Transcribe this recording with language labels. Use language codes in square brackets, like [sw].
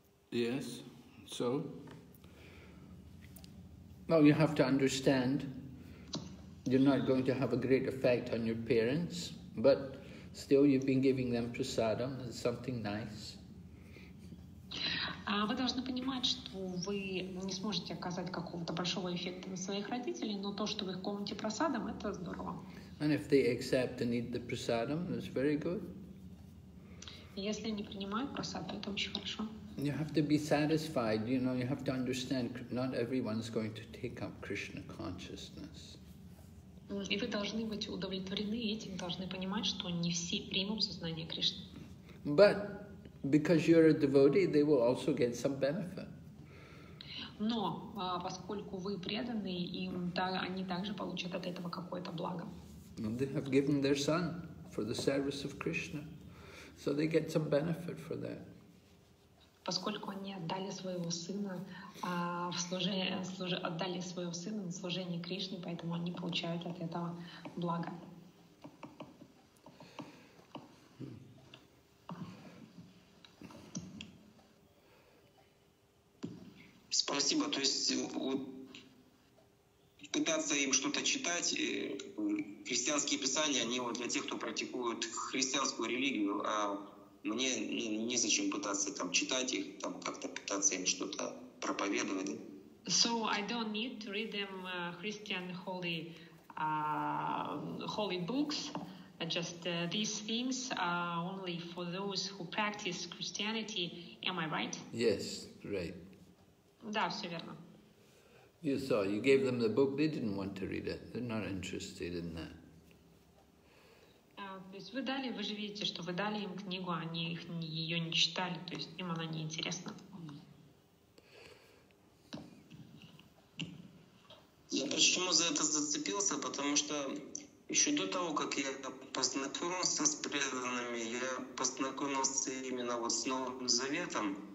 [en] Yes, so. Well, you have to understand, you're not going to have a great effect on your parents, but still you've been giving them prasadam, it's something nice. [ru] Вы должны понимать, что вы не сможете оказать какого-то большого эффекта на своих родителей, но то, что в их комнате прасадам, это здорово. [en] And if they accept and eat the prasadam, that's very good. [ru] Если они принимают прасадам, это очень хорошо. [en] You have to be satisfied, you know, you have to understand not everyone's going to take up Krishna consciousness. [ru] И вы должны быть удовлетворены этим, должны понимать, что не все примут сознание Кришны. [en] But because you're a devotee, they will also get some benefit. [ru] Но поскольку вы преданы, им они также получат от этого какое-то благо. [en] They have given their son for the service of Krishna. So they get some benefit for that. [ru] Поскольку они отдали своего сына в служение, отдали своего сына на служение Кришне, поэтому они получают от этого благо. Спасибо. То есть вот, пытаться им что-то читать, христианские писания, они вот для тех, кто практикует христианскую религию, а мне не зачем пытаться там читать их, там как-то пытаться им что-то проповедовать. [en] So I don't need to read them Christian holy holy books. Just these things are only for those who practice Christianity. Am I right? Yes, right. [ru] Да, все верно. [en] You saw, you gave them the book. They didn't want to read it. They're not interested in that. [ru] То есть вы дали, вы же видите, что вы дали им книгу, они их ее не читали, то есть им она не интересна. Я почему за это зацепился? Потому что еще до того, как я познакомился с преданными, я познакомился именно вот с Новым Заветом.